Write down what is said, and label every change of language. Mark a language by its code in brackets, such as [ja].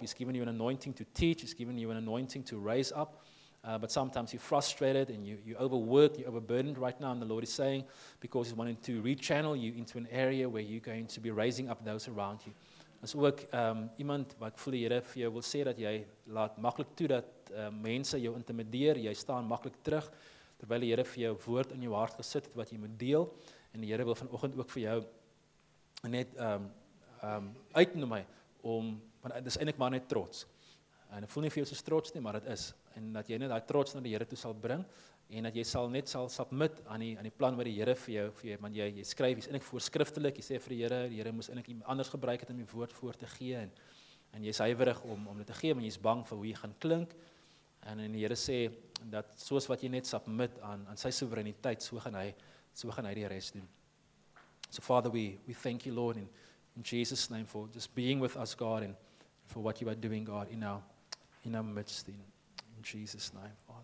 [en] He's given you an anointing to teach, he's given you an anointing to raise up. But sometimes you're frustrated and you overworked, you're overburdened right now, and the Lord is saying, because he's wanting to rechannel you into an area where you're going to be raising up those around you. [af] is ook iemand wat voor die Here vir jou wil sê dat jy laat maklik toe dat mense jou intimideer, jy staan maklik terug, terwyl die Here vir jou woord in jou hart gesit het wat jy moet deel, en die Here wil vanoggend ook vir jou net uitnoem my om, want dit is eintlik maar net trots, en ek voel nie vir jou soos trots nie, maar dit is, en dat jy net daai trots na die Here toe sal bring, en dat jy sal net sal submit aan die plan wat die Here vir jou, want jy skryf, jy is eintlik voorskriftelik, jy sê vir die Here moes eintlik anders gebruik het om die woord voor te gee, en jy is huiwerig om dit te gee, want jy is bang vir hoe jy gaan klink, en die Here sê, dat soos wat jy net submit aan sy soevereiniteit, so gaan hy die rest doen. [en] So Father, we thank you Lord, in Jesus' name for just being with us God, and for what you are doing God in our midst, in Jesus' name.